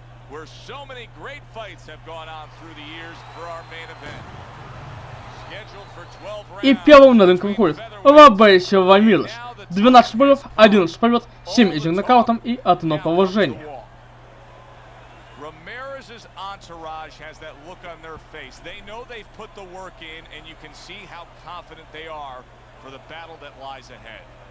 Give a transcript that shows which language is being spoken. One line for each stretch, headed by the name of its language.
English: Where so many great fights have gone on through the years for our main event. Scheduled for 12 rounds.
Russian: И первым на рынке выходит Вабейси Вамирус. 12 боев, 11 побед, 7 из них нокаутом и одно поражение.
English: Ramirez's entourage has that look on their face. They know they've put the work in, and you can see how confident they are for the battle that lies ahead.